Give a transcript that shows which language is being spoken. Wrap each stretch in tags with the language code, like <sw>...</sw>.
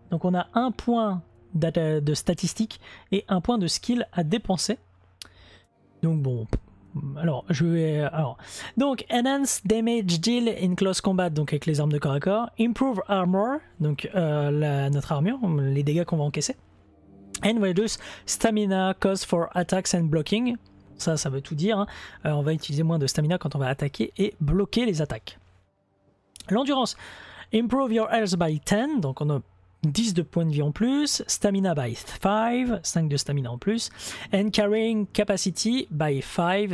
<fr>Donc on a un point de statistique et un point de skill à dépenser. Donc bon. Alors je vais... Alors. Donc</fr> <en>enhance damage deal in close combat,</en> <fr>donc avec les armes de corps à corps.</fr> <en>Improve armor,</en> <fr>donc notre armure, les dégâts qu'on va encaisser.</fr> <en>And reduce stamina cost for attacks and blocking.</en> <fr>Ça, ça veut tout dire. Hein. On va utiliser moins de stamina quand on va attaquer et bloquer les attaques. L'endurance.</fr> <en>Improve your health by 10.</en> <fr>Donc on a 10 de points de vie en plus.</fr> <en>Stamina by 5.</en> <fr>5 de stamina en plus.</fr> <en>And carrying capacity by 5.</en>